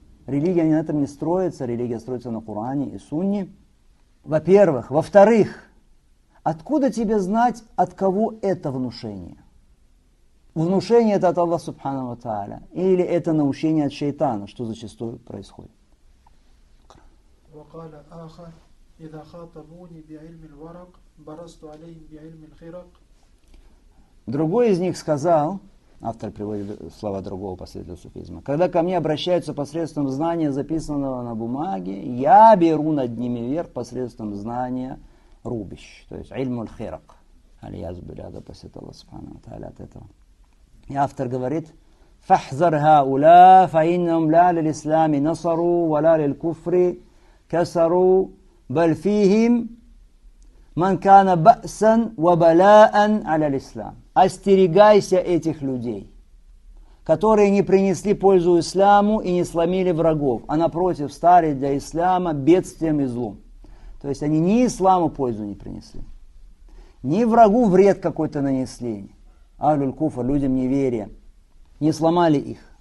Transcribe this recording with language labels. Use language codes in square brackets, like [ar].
[ru] Религия на этом не строится. Религия строится на Коране и Сунне. Во-первых. Во-вторых, откуда тебе знать, от кого это внушение? Внушение это от Аллаха субхана ва тааля. Или это научение от шайтана, что зачастую происходит. [ar] وقال آخر إذا خاطبوني بعلم الورق برست عليهم بعلم الخرق. [ru] Другой из них сказал, автор приводит слова другого последователя суфизма: когда ко мне обращаются посредством знания, записанного на бумаге, я беру над ними верх посредством знания рубищ, то есть ильмуль хирак. Алиязу биляда посетала субхана ва тааля от этого. И автор говорит, [ar] فاحذر هؤلاء فإنهم لا للإسلام نصروا ولا للكفر كسروا، بل فيهم من كان بأسا وبلاء على الإسلام. [ru] Остерегайся этих людей, которые не принесли пользу исламу и не сломили врагов, а напротив стали для ислама бедствием и злом. То есть они ни исламу пользу не принесли, ни врагу вред какой-то нанесли, аль-куфа, людям неверия, не сломали их.